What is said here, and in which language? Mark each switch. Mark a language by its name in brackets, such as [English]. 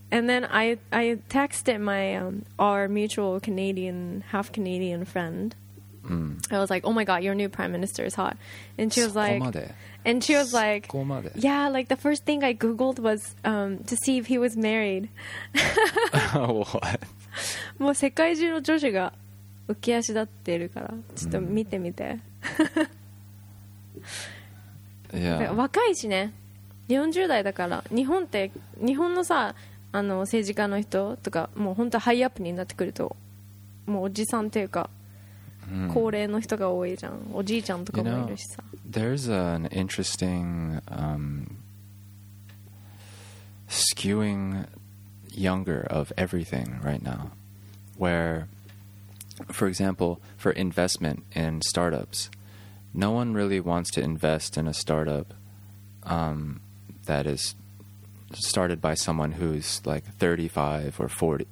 [English] And then I texted my our mutual Canadian half Canadian friend. I was like, oh my god, your new prime minister is hot. And she was like, yeah, like the first thing I googled was to see if he was married. What? [Japanese] もう世界中の女子が浮き足立ってるからちょっと見てみて、 [English] yeah. [Japanese] 若いしね40代だから日本ってさあの政治家の人とかもう本当ハイアップになってくるともうおじさんっていうか、うん、高齢の人が多いじゃん。おじいちゃんとかもいるしさ。 [English] You know, there's an interesting skewing younger of everything right now, where for example for investment in startups, no one really wants to invest in a startup that is started by someone who's like 35 or 40.